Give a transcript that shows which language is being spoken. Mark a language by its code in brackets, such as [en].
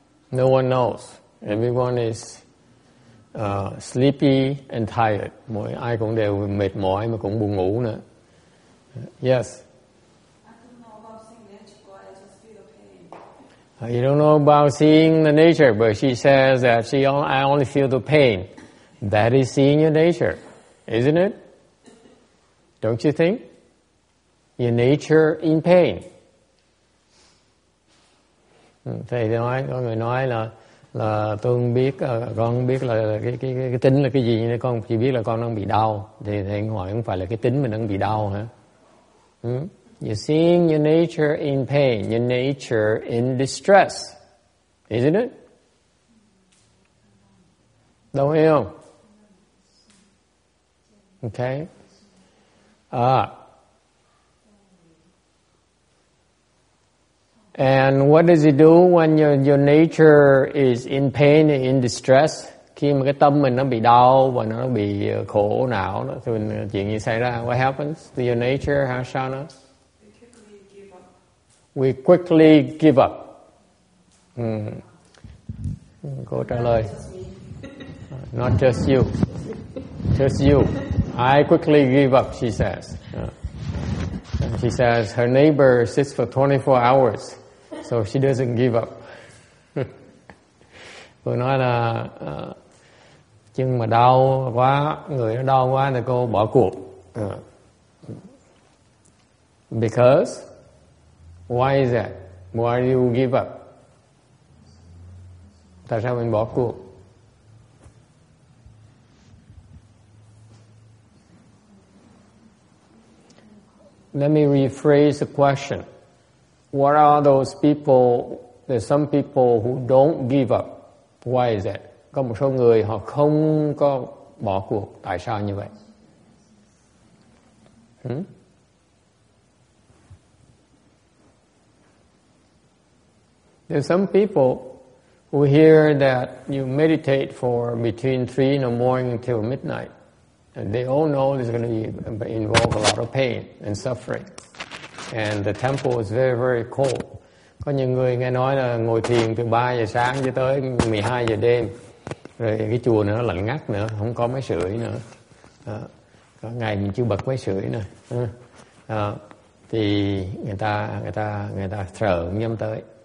[en] No one knows. Everyone is sleepy and tired. [vi] Mỗi ai cũng đều mệt mỏi mà cũng buồn ngủ nữa. [en] Yes. I don't know about seeing nature, but I just feel the pain. You don't know about seeing the nature, but she says that I only feel the pain. That is seeing your nature, isn't it? Don't you think? Your nature in pain. [vi] Thầy nói, có người nói là tôi không biết, con không biết là cái tính là cái gì, nhưng con chỉ biết là con đang bị đau. Thầy hỏi không phải là cái tính mình đang bị đau hả? [en] You're seeing your nature in pain, your nature in distress, isn't it? [vi] Đồng ý không? [en] Okay. And what does it do when your nature is in pain, in distress? [vi] Khi mà cái tâm mình nó bị đau và nó bị khổ não, thì mình, chuyện gì xảy ra? [en] What happens to your nature, Hashana? We quickly give up. [vi] Cô trả lời. [en] Not just you. Just you. I quickly give up, she says. And she says her neighbor sits for 24 hours. So she doesn't give up. [vi] Cô nói là chân mà đau quá, người nó đau quá thì cô bỏ cuộc. [en] Because? Why is that? Why do you give up? [vi] Tại sao mình bỏ cuộc? [en] Let me rephrase the question. What are those people? There's some people who don't give up. Why is that? [vi] Có một số người họ không có bỏ cuộc. Tại sao như vậy? [en] There's some people who hear that you meditate for between 3 in the morning until midnight. And they all know this is going to involve a lot of pain and suffering. And the temple is very, very cold. [vi] Có nhiều người nghe nói là ngồi thiền từ 3 giờ sáng cho tới 12 giờ đêm. Rồi cái chùa nó lạnh ngắt nữa, không có máy sưởi nữa. Đó. Có ngày mình chưa bật máy sưởi nữa. Đó. Thì người ta thở cũng nhắm tới.